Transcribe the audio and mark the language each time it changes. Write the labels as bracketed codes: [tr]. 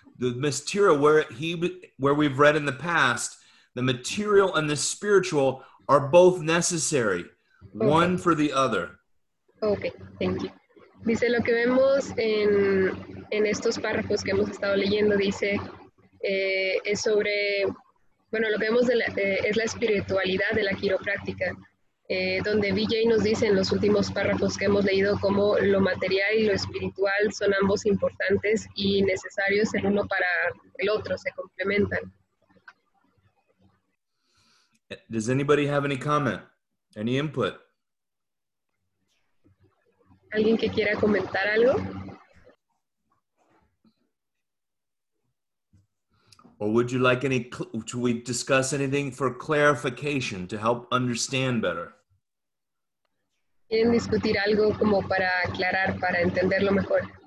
[en] The material, where we've read in the past, the material and the spiritual are both necessary, okay. One for the other. Okay, thank you. [es] Dice lo que vemos en estos párrafos que hemos estado leyendo, dice, es sobre... Bueno, lo que vemos es la espiritualidad de la quiropráctica, donde BJ nos dice en los últimos párrafos que hemos leído cómo lo material y lo espiritual son ambos importantes y necesarios el uno para el otro, se complementan. [en] Does anybody have any comment? Any input? [es] ¿Alguien que quiera comentar algo? [en] Or would you like any, should we discuss anything for clarification to help understand better? [es] ¿Quieren discutir algo como para aclarar, para entenderlo mejor?